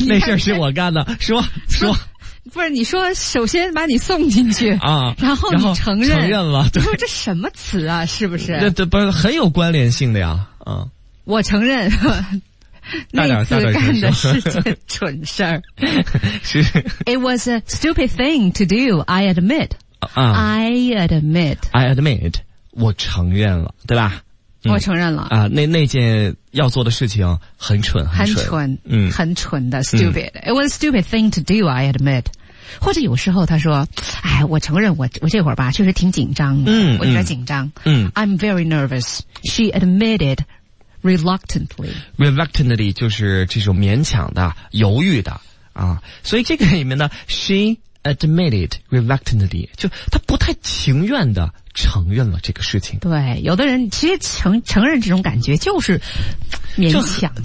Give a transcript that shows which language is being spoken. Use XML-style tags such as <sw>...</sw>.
<zh>那事儿是我干的。说说，不是你说，首先把你送进去啊，然后你承认，承认了，对，你说这什么词啊？是不是？这不是很有关联性的呀？嗯，我承认那次干的是件蠢事儿。是</zh> <en>，It was a stupid thing to do. I admit.、I admit. I admit.</en> <zh>我承认了，对吧？我承认了啊，那件要做的事情很蠢，很蠢，很蠢的</zh> <en>，stupid、嗯。It was a stupid thing to do, I admit。</en> <zh>或者有时候他说，哎，我承认我这会儿吧，确实挺紧张的，嗯，我有点紧张，嗯</zh> <en>，I'm very nervous。 She admitted reluctantly。</en> <zh>Reluctantly 就是这种勉强的、犹豫的啊，所以这个里面呢 ，</zh> <en>she admitted reluctantly，</en> <zh>就他不太情愿的。承认了这个事情，对，有的人其实承认这种感觉就是勉强，</zh>